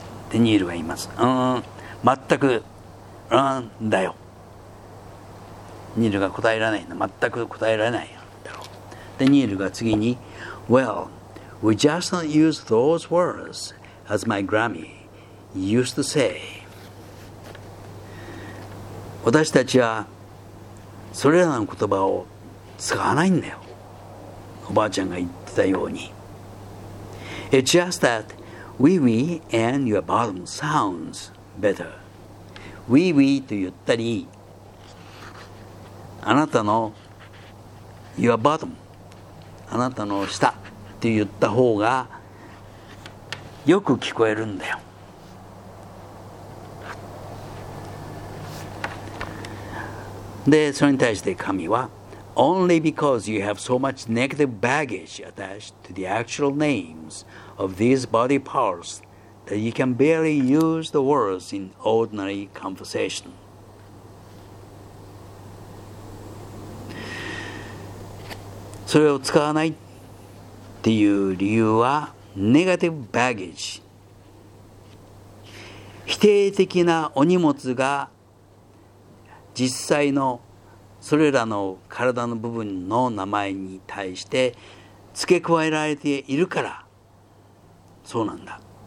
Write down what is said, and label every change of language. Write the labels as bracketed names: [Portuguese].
[Japanese] デニールが言います。全く、だよ。ニールが答えられないの。全く答えられないよ。デニールが次に、 [English] Well, we just don't use those words as my Grammy used to say. [Japanese] 私たちはそれらの言葉を使わないんだよ。おばあちゃんが言ってたように。 [English] It's just that wee wee and your bottom sounds better. [Japanese] Wee wee と言ったり、あなたの [English] your bottom、 [Japanese] あなたの下と言った方がよく聞こえるんだよ。で、それに対して神は、 [English] only because you have so much negative baggage attached to the actual names of these body parts that you can barely use the words in ordinary conversation. [Japanese] それを使わないっていう理由はネガティブバゲージ、否定的なお荷物が実際のそれらの体の部分の名前に対して付け加えられているからそうなんだ。